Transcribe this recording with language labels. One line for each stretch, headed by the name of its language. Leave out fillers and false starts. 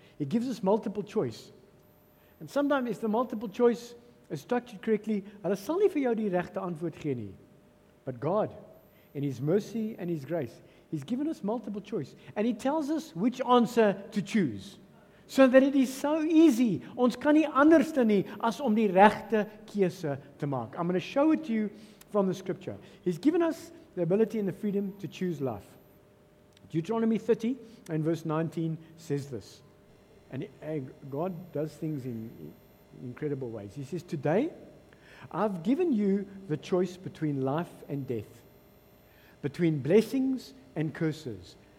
English: He gives us multiple choice. And sometimes if the multiple choice is structured correctly,
Afrikaans: hulle sal nie vir jou die regte antwoord gee nie.
English: But God, in His mercy and His grace, He's given us multiple choice. And He tells us which answer to choose. So that it is so easy.
Afrikaans: Ons kan nie anders dan nie as om die regte keuse te maak.
English: I'm going to show it to you from the scripture. He's given us the ability and the freedom to choose life. Deuteronomy 30 and verse 19 says this. And God does things in incredible ways. He says, today, I've given you the choice between life and death, between blessings and curses.